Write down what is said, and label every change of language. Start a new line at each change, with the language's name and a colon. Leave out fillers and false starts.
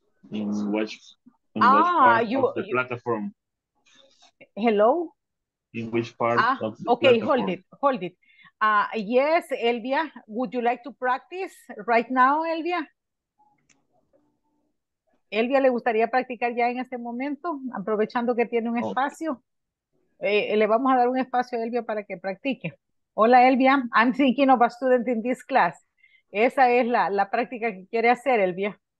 English: In which part of the platform? Hello? In which part of the platform? Okay, hold it, hold it. Yes, Elvia, would you like to practice right now, Elvia?
Spanish: Elvia, ¿le gustaría practicar ya en este momento? Aprovechando que tiene un espacio. Le vamos a dar un espacio a Elvia para que practique. Hola, Elvia.
English: I'm thinking of a student in this class.
Spanish: Esa es la práctica que quiere hacer, Elvia.